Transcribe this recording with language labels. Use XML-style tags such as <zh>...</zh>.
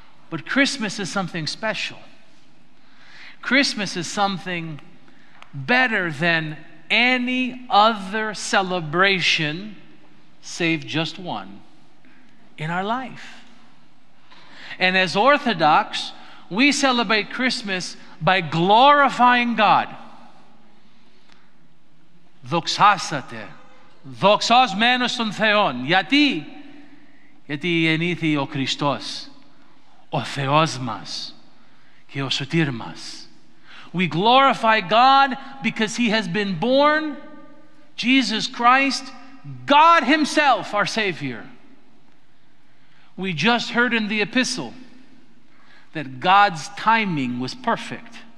<en>But Christmas is something special. Christmas is something better than any other celebration, save just one, in our life. And as Orthodox, we celebrate Christmas by glorifying God.</en> <el>Δοξάσατε, δοξασμένος των Θεών. Γιατί? Γιατί γεννήθη ο Χριστός, ο Θεός μας και ο Σωτήρ μας.</el> <en>We glorify God because He has been born, Jesus Christ, God Himself, our Savior. We just heard in the epistle that God's timing was perfect.</en>